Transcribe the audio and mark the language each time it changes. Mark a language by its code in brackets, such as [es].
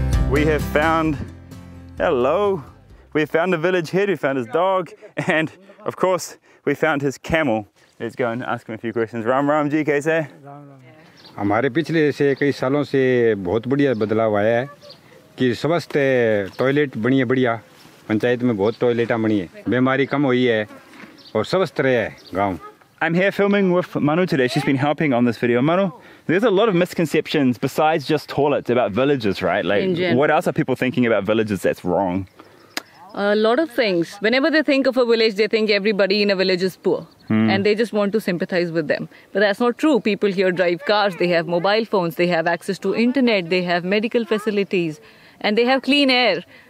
[en] We have found, hello, we have found the village head, we found his dog, and of course, we found his camel. Let's go and ask him a few questions. [hi] Ram Ram ji, kaise hai? हमारे पिछले से कई सालों से बहुत बढ़िया बदलाव आया है कि स्वस्थ है, टॉयलेट बनी है बढ़िया, पंचायत में बहुत टॉयलेटा बनी है, बीमारी कम हुई है और स्वस्थ रहे है गांव. [en] I'm here filming with Manu today. She's been helping on this video. Manu, there's a lot of misconceptions besides just toilets about villages, right? Like, what else are people thinking about villages that's wrong? A lot of things. Whenever they think of a village, they think everybody in a village is poor. Hmm. And they just want to sympathize with them. But that's not true. People here drive cars, they have mobile phones, they have access to internet, they have medical facilities, and they have clean air.